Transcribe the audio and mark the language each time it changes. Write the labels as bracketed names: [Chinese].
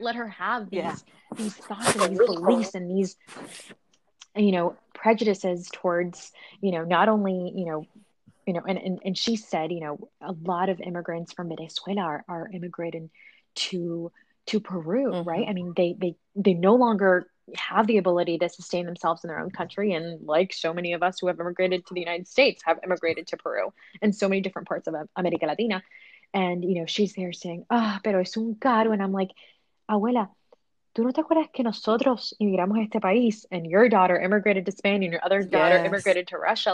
[English] Let her have these thoughts and these beliefs and these, you know, prejudices towards, you know, not only, you know, and she said, you know, a lot of immigrants from Venezuela are immigrating to Peru, mm-hmm. right? I mean, they no longer have the ability to sustain themselves in their own country. And like so many of us who have immigrated to the United States have immigrated to Peru and so many different parts of America Latina. And, you know, she's there saying, ah, [Spanish] pero es un caro. [English] And I'm like, [Spanish] abuela, ¿tú no te acuerdas que nosotros emigramos a este país? [English] And your daughter immigrated to Spain and your other daughter immigrated to Russia.